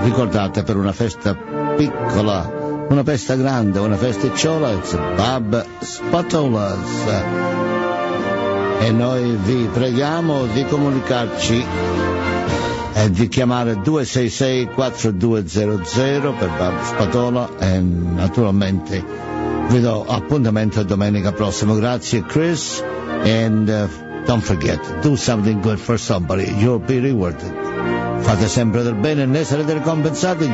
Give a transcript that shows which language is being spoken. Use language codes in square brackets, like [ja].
[it] Ricordate, per una festa piccola, una festa grande, una festa ciola, Bob Spatolas. E noi vi preghiamo di comunicarci e di chiamare 266-4200 per Bob Spatola e naturalmente vi do appuntamento a domenica prossima. Grazie [en] Chris, and don't forget, do something good for somebody, you'll be rewarded. [it] Fate sempre del bene e ne sarete ricompensati.